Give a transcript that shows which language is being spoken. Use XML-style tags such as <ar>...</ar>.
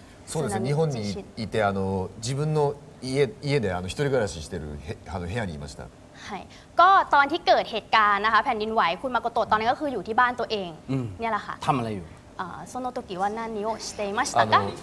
<ja>そうですね日本にいて自分の家で一人暮らししてる部屋にいました</ja> <th>はいก็ตอนที่เกิดเหตุการณ์นะคะแผ่นดินไหวคุณ誠ตอนนี้ก็คืออยู่ที่บ้านตัวเองเนี่ยแหละค่ะ ทำอะไรอยู่</th> <ja>その時は何をしていましたか</ja>